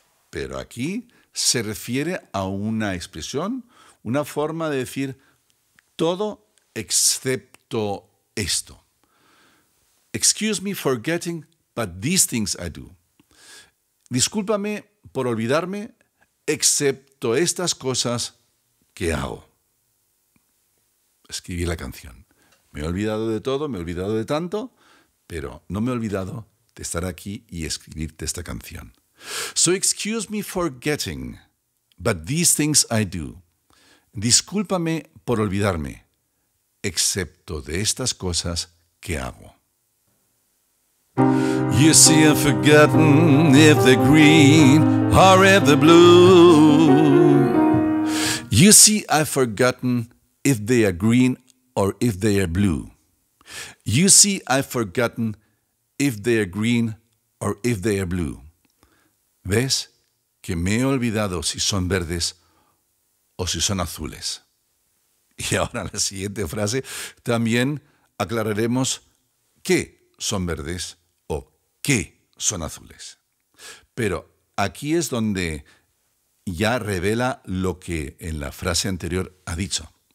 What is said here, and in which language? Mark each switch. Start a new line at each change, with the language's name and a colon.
Spanish: Pero aquí se refiere a una expresión, una forma de decir todo excepto esto.
English: Excuse me for getting, but these things I do.
Spanish: Discúlpame por olvidarme, excepto estas cosas que hago. Escribí la canción. Me he olvidado de todo, me he olvidado de tanto, pero no me he olvidado de estar aquí y escribirte esta canción.
English: So excuse me for getting, but these things I do.
Spanish: Discúlpame por olvidarme, excepto de estas cosas que hago.
English: You see I've forgotten if the green or if the blue. You see I've forgotten if they are green or if they are blue. You see I've forgotten if they are green or if they are blue.
Spanish: ¿Ves que me he olvidado si son verdes o si son azules? Y ahora en la siguiente frase también aclararemos qué son verdes o qué son azules. Pero aquí es donde ya revela lo que en la frase anterior ha dicho.